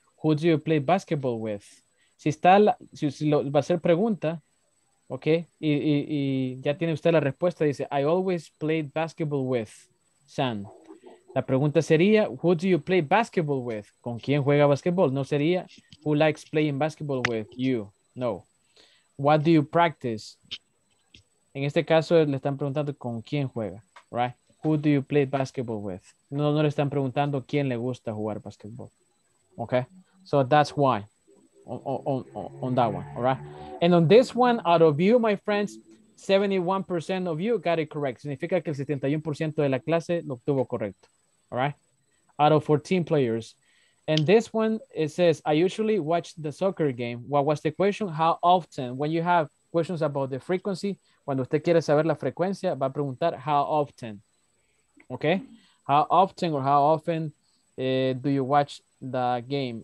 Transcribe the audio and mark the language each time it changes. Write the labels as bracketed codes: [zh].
[en] Who do you play basketball with? [es] Si está, va a ser pregunta, [en] okay? [es] Y ya tiene usted la respuesta, dice, [en] I always played basketball with Sam. [es] La pregunta sería, [en] who do you play basketball with? [es] ¿Con quién juega basketball? No sería, [en] who likes playing basketball with you? No. What do you practice? [es] En este caso, le están preguntando con quién juega, right? [en] Who do you play basketball with? [es] No le están preguntando quién le gusta jugar basketball. [en] Okay? So that's why on that one, all right? And on this one, out of you, my friends, 71% of you got it correct. [es] Significa que el 71% de la clase lo obtuvo correcto, all right? [en] Out of 14 players. And this one, it says, I usually watch the soccer game. What was the question? How often? When you have questions about the frequency, [es] cuando usted quiere saber la frecuencia, [en] va a preguntar how often. Okay? How often or how often do you watch the game?